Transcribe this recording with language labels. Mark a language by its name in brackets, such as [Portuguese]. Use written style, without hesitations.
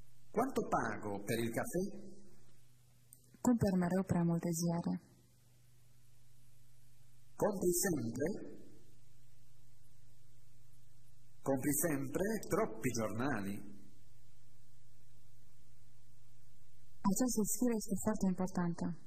[Italian] Quanto pago per il caffè? [Romanian] Cumpăr mereu prea multe ziare. [Italian] Compri sempre? Compri sempre troppi giornali. [Romanian] Această sfidă este foarte importantă.